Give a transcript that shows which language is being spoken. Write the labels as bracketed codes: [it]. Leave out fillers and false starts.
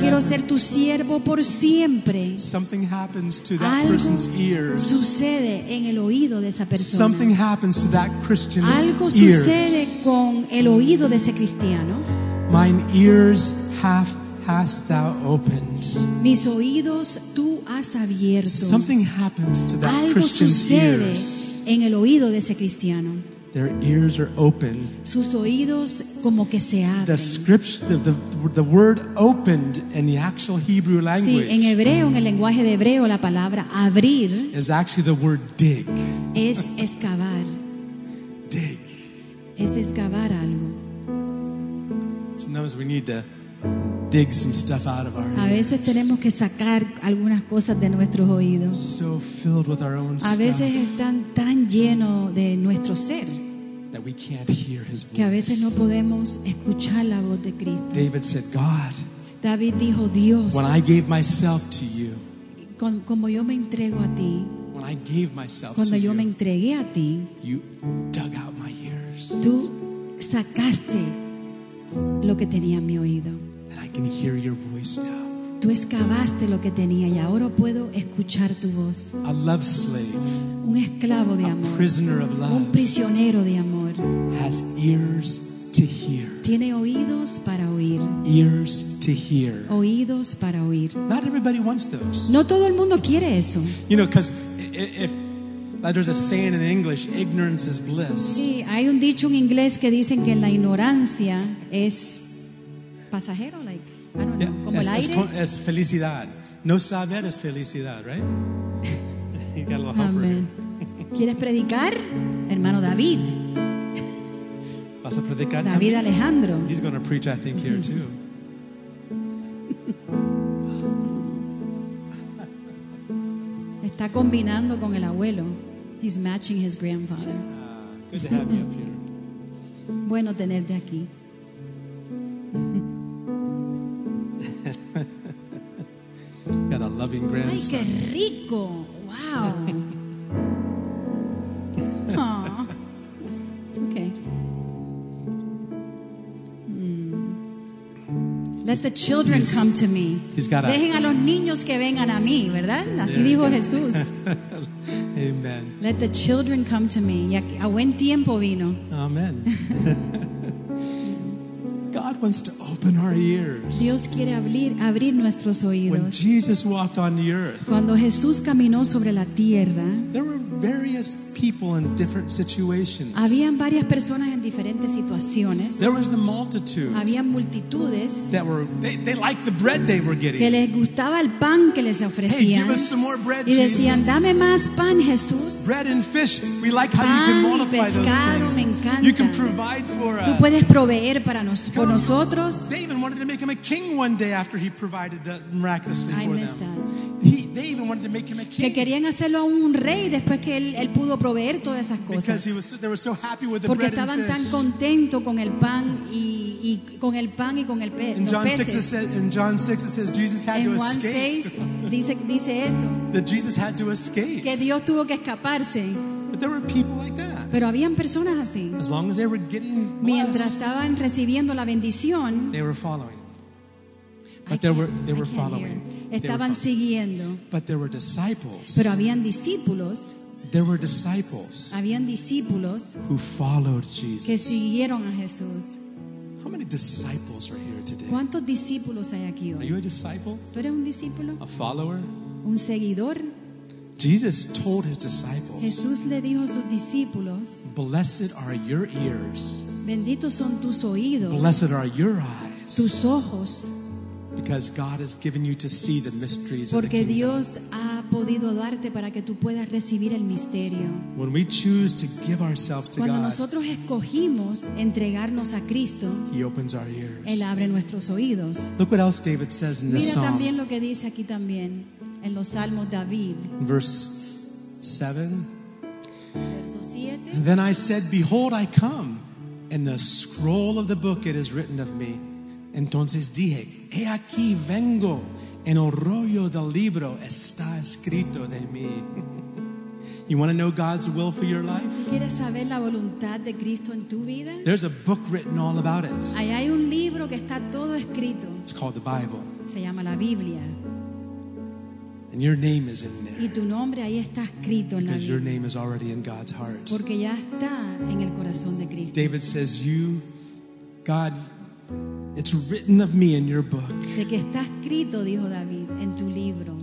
[es] Quiero ser tu siervo por siempre. [en] Something happens to that person's ears. [es] Algo sucede en el oído de esa persona. [en] Something happens to that Christian's ears. [es] Algo sucede con el oído de ese cristiano. [en] Mine ears hast thou opened. [es] Mis oídos tú has abierto. [en] Something happens to that [es] Algo [en] Christian's [es] sucede [en] ears. [es] En el oído de ese cristiano. [en] Their ears are open. [es] Sus oídos como que se abren. [en] The scripture, the word opened in the actual Hebrew language. [es] Sí, en hebreo, en el lenguaje de hebreo, la palabra abrir [en] is actually the word dig. [es] Es excavar. [en] Dig. [es] Es excavar algo. [en] Sometimes we need to dig some stuff out of our ears. [es] A veces tenemos que sacar algunas cosas de nuestros oídos. [en] So filled with our own [es] A veces [en] stuff. [es] Están tan llenos de nuestro ser. [en] That we can't hear his voice. [es] Que a veces no podemos escuchar la voz de Cristo. [en] David said, God. [es] David dijo, Dios. [en] When I gave myself to you. [es] Como yo me entrego a ti. [en] When I gave myself [es] cuando yo [en] you, [es] me entregué a ti. [en] You dug out my ears. [es] Tú sacaste lo que tenía en mi oído. [en] And I can hear your voice now. [es] Tú excavaste lo que tenía y ahora puedo escuchar tu voz. [en] A love slave, [es] un esclavo de amor, [en] a prisoner of love, [es] un prisionero de amor, [en] has ears to hear. [es] Tiene oídos para oír. [en] Ears to hear. [es] Oídos para oír. [en] Not everybody wants those. [es] No todo el mundo quiere eso. [en] You know, because if like there's a saying in English, ignorance is bliss. [es] Sí, hay un dicho en inglés que dicen que la ignorancia es pasajero, like. Yeah, como el aire. Es felicidad. No saber es felicidad, [en] right? You got a little humper. [es] ¿Quieres predicar, hermano David? ¿Vas a predicar? David Alejandro. [en] He's going to preach, I think, here too. [es] Está combinando con el abuelo. [en] He's matching his grandfather. Good to have you up here. [es] Bueno tenerte aquí. [en] Got a loving grandson. [es] Ay, qué rico. Wow. [en] Let the children come to me. He's got a, [es] Dejen a los niños que vengan a mí, ¿verdad? Así yeah, dijo Jesús. Amen. [en] Let the children come to me. [es] Y a buen tiempo vino. Amen. [en] God wants to open our ears. [es] Dios quiere abrir nuestros oídos. [en] When Jesus walked on the earth, [es] cuando Jesús caminó sobre la tierra, [en] there were various people in different situations. [es] Habían varias personas en diferentes situaciones. [en] There was the multitude. [es] Habían multitudes. [en] That were they liked the bread they were getting. [es] Que les gustaba el pan que les ofrecían. [en] Hey, give us some more bread, [es] y decían, dame más pan, Jesús. [en] Bread and fish. We like how you can multiply [es] pescado, [en] those things. You can provide for [es] tú [en] us. [es] Tú puedes proveer para nosotros. Por nosotros. [en] They even wanted to make him a king one day after he provided that miraculously I for them. That. They even wanted to make him a king. [es] Que querían hacerlo a un rey después que él pudo proveer todas esas cosas. [en] Because he was, they were so happy with the [es] porque [en] bread [es] estaban [en] and fish. [es] Tan contentos con el pan y con el pan y con el pez. [en] In John 6 it says, in John 6 it says Jesus had [es] en [en] to escape. [es] dice eso. [en] That Jesus had to escape. [es] Que Dios tuvo que escaparse. [en] But there were people like that. [es] Pero habían personas así. [en] As long as they were getting blessed, [es] mientras estaban recibiendo la bendición, [en] they were following. But they were following. [es] Estaban siguiendo. [en] But there were disciples. [es] Pero habían discípulos. [en] There were disciples. [es] Habían discípulos [en] who followed Jesus. [es] Que siguieron a Jesús. [en] How many disciples are here today? [es] ¿Cuántos discípulos hay aquí hoy? [en] Are you a disciple? [es] ¿Tú eres un discípulo? [en] A follower? [es] Un seguidor? [en] Jesus told his disciples, [es] Jesús le dijo a sus discípulos, [en] blessed are your ears. [es] Benditos son tus oídos. [en] Blessed are your eyes. [es] Tus ojos. [en] Because God has given you to see the mysteries [es] porque [en] of the [es] Dios [en] kingdom. [es] Ha podido darte para que tú puedas recibir el misterio. [en] When we choose to give ourselves to [es] cuando [en] God, [es] nosotros escogimos entregarnos a Cristo, [en] he opens our ears. [es] Él abre nuestros oídos. [en] Look what else David says in this [es] mira También lo que dice aquí también. En los Salmos David. [en] Verse 7. Then I said, behold, I come. In the scroll of the book it is written of me. [es] Entonces dije, he aquí vengo. En el rollo del libro está escrito de mí. [en] You want to know God's will for your life? [es] ¿Quieres saber la voluntad de Cristo en tu vida? [en] There's a book written all about it. [es] Ahí hay un libro que está todo escrito. [en] It's called the Bible. [es] Se llama la Biblia. [en] And your name is in there. [es] Y tu nombre ahí está escrito en la Biblia. [en] Your name is already in God's heart. [es] Porque ya está en el corazón de Cristo. [en] David says, you, God, it's written of me in your book. [es] De que está escrito, dijo David, en tu libro.